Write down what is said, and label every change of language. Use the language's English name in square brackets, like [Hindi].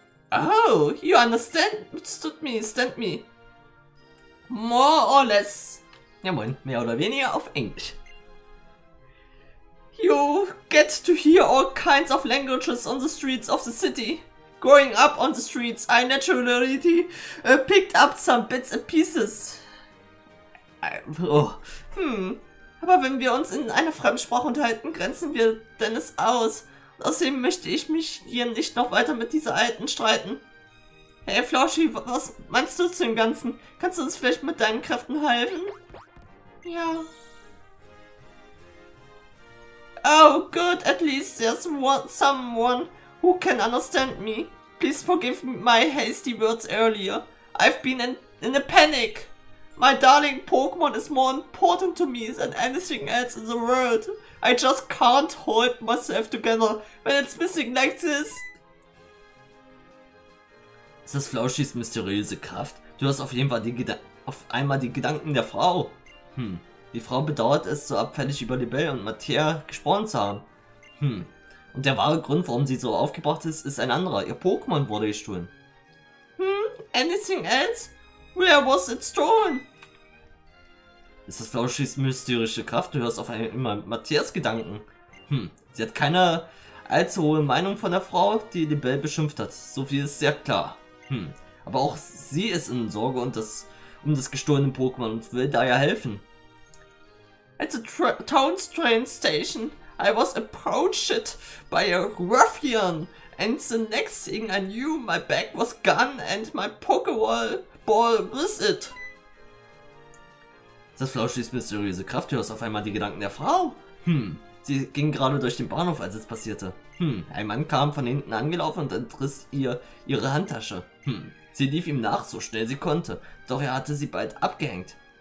[English] Oh, you understand me. More or less. [German] Ja, moin, mehr oder weniger auf Englisch. [English] You get to hear all kinds of languages on the streets of the city. Growing up on the streets, I naturally picked up some bits and pieces. [German] Aber wenn wir uns in einer Fremdsprache unterhalten, grenzen wir Dennis aus. Außerdem möchte ich mich hier nicht noch weiter mit dieser Alten streiten. Hey Flauschi, was meinst du zu dem Ganzen? Kannst du uns vielleicht mit deinen Kräften helfen? Ja. [English] Oh, good. At least there's someone who can understand me. Please forgive my hasty words earlier. I've been in a panic. My darling Pokemon is more important to me than anything else in the world. I just can't hold myself together when it's missing like this. [German] Ist das Flauschis mysteriöse Kraft? Du hast auf jeden Fall auf einmal die Gedanken der Frau. Die Frau bedauert es, so abfällig über Libelle und Materia gesprochen zu haben. Und der wahre Grund, warum sie so aufgebracht ist, ist ein anderer. Ihr Pokémon wurde gestohlen. [English] Anything else? Where was it stolen? [German] Ist das Flauschis mysteriöse Kraft? Du hörst auf einmal Materias Gedanken. Sie hat keine allzu hohe Meinung von der Frau, die Libelle beschimpft hat. So viel ist sehr klar. Aber auch sie ist in Sorge um das gestohlene Pokémon und will daher helfen. [English] At the town train station, I was approached by a ruffian. And the next thing I knew, my bag was gone and my Pokeball ball with it. [German] Das Flauschis mysteriöse Kraft, du hörst auf einmal die Gedanken der Frau. Sie ging gerade durch den Bahnhof, als es passierte. Ein Mann kam von hinten angelaufen und entriss ihr ihre Handtasche. Sie lief ihm nach, so schnell sie konnte. Doch er hatte sie bald abgehängt.